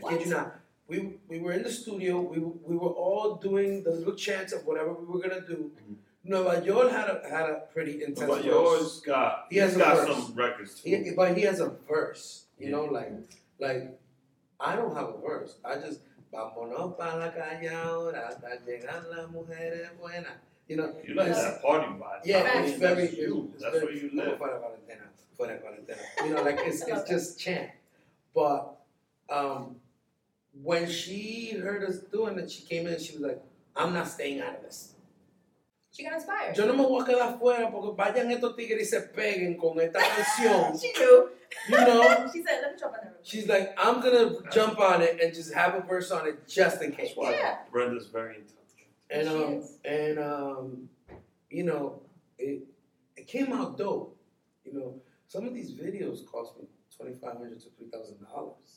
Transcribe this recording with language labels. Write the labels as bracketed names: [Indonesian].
[English] I kid you not. We were in the studio. We were all doing the little chants of whatever we were going to do. Mm-hmm. Nueva York had a pretty intense Nueva verse. Nueva York's got, he has got a verse. Some records too. But he has a verse. You know, like I don't have a verse. I just, [Spanish] vamonos pa la calle ahora hasta llegar las mujeres buenas. [English] You know, that party vibe. Yeah, I mean, it's very you. That's very, where you live. [Spanish] Fuera cuarentena. Fuera cuarentena. [English] You know, like, it's just chant. But when she heard us doing it, she came in and she was like, I'm not staying out of this. She got inspired. [Spanish] Yo no me voy a quedar fuera porque vayan estos tigres y se peguen con esta canción. [English] She knew. You know? She said, let me jump on that. She's like, I'm going to jump on it and just have a verse on it just in case. That's why Brenda's very intense. And it came out dope. You know, some of these videos cost me $2,500 to $3,000.